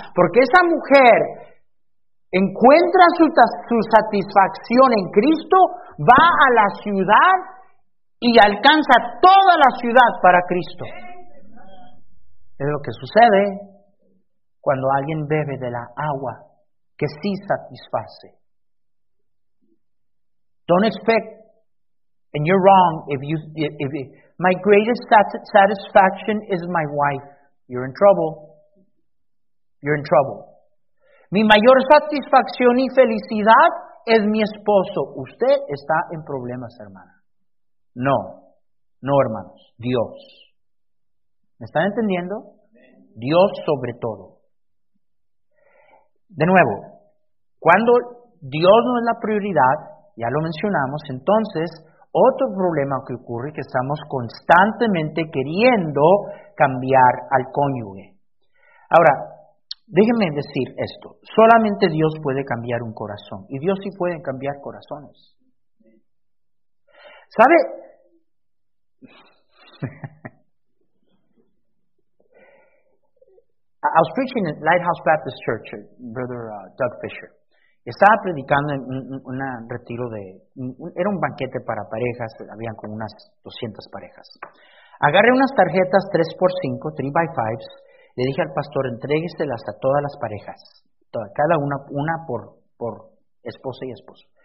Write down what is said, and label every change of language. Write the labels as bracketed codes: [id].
[es] Porque esa mujer encuentra su satisfacción en Cristo, va a la ciudad y alcanza toda la ciudad para Cristo. Es lo que sucede cuando alguien bebe de la agua que sí satisface. [en] Don't expect, and you're wrong, my greatest satisfaction is my wife. You're in trouble. You're in trouble. [es] Mi mayor satisfacción y felicidad es mi esposo. Usted está en problemas, hermana. No, no, hermanos, Dios. ¿Me están entendiendo? Dios sobre todo. De nuevo, cuando Dios no es la prioridad, ya lo mencionamos, entonces otro problema que ocurre es que estamos constantemente queriendo cambiar al cónyuge. Ahora, déjenme decir esto. Solamente Dios puede cambiar un corazón. Y Dios sí puede cambiar corazones. ¿Sabe? [en] I was preaching at Lighthouse Baptist Church, Brother Doug Fisher. [es] Estaba predicando en un retiro de... era un banquete para parejas, habían como unas 200 parejas. Agarré unas tarjetas 3x5, 3x5, le dije al pastor: entrégueselas a todas las parejas, cada una por esposa y esposo.